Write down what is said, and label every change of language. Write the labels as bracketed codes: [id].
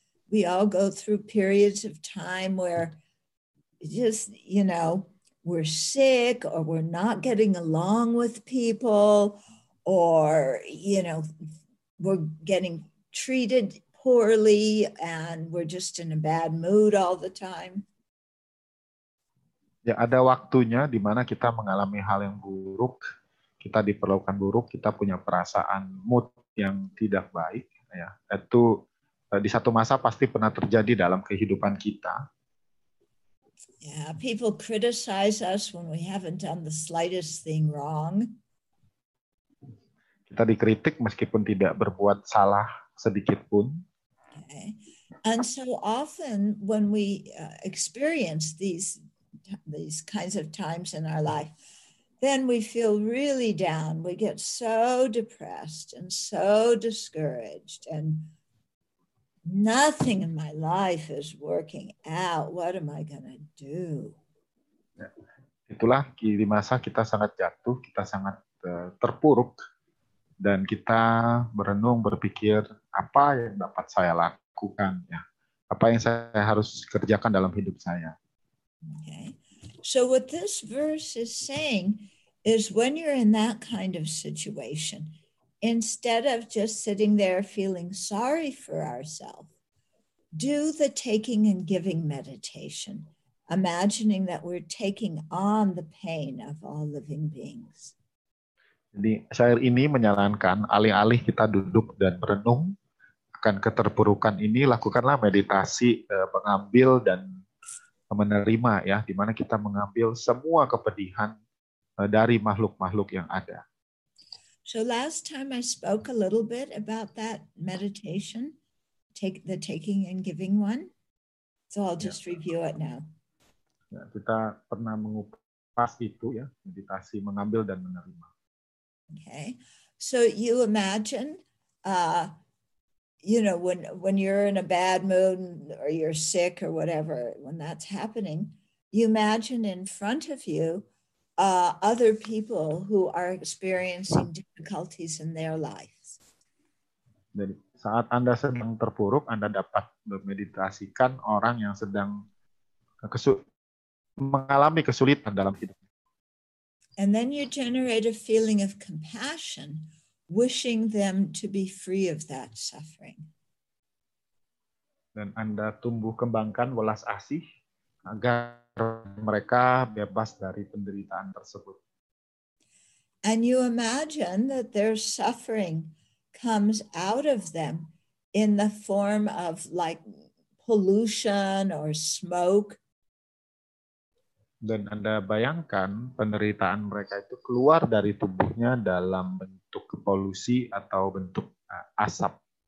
[en] We all go through periods of time where just, you know, we're sick or we're not getting along with people or, you know, we're getting treated poorly and we're just in a bad mood all the time. [id] Ya, ada waktunya di mana kita mengalami hal yang buruk, kita diperlakukan buruk, kita punya perasaan mood yang tidak baik, ya. Itu di satu masa pasti pernah terjadi dalam kehidupan kita. [en] Yeah, people criticize us when we haven't done the slightest thing wrong. [id] Kita dikritik meskipun tidak berbuat salah sedikit pun. [en] Okay. And so often when we experience these kinds of times in our life, then we feel really down. We get so depressed and so discouraged and nothing in my life is working out. What am I going to do? [id] Itulah di masa kita sangat jatuh, kita sangat terpuruk, dan kita berenung, berpikir, apa yang dapat saya lakukan, ya? Apa yang saya harus kerjakan dalam hidup saya? [en] Okay. So what this verse is saying is when you're in that kind of situation, instead of just sitting there feeling sorry for ourselves, do the taking and giving meditation, imagining that we're taking on the pain of all living beings. [id] Jadi syair ini menyarankan alih-alih kita duduk dan merenung akan keterpurukan ini, lakukanlah meditasi mengambil dan menerima, ya, di mana kita mengambil semua kepedihan dari makhluk-makhluk yang ada. [en] So last time I spoke a little bit about that meditation, the taking and giving one. So I'll just review it now. [id] Ya, kita pernah mengupas itu, ya, meditasi mengambil dan menerima. [en] Okay. So you imagine when you're in a bad mood or you're sick or whatever, when that's happening, you imagine in front of you other people who are experiencing difficulties in their lives. [id] Jadi saat Anda sedang terpuruk, Anda dapat memeditasikan orang yang sedang mengalami kesulitan dalam hidup. [en] And then you generate a feeling of compassion, wishing them to be free of that suffering. [id] Dan Anda tumbuh kembangkan welas asih agar mereka bebas dari penderitaan tersebut. [en] And you imagine that their suffering comes out of them in the form of like pollution or smoke. [id] Dan Anda bayangkan penderitaan mereka itu keluar dari tubuhnya dalam bentuk polusi atau bentuk asap.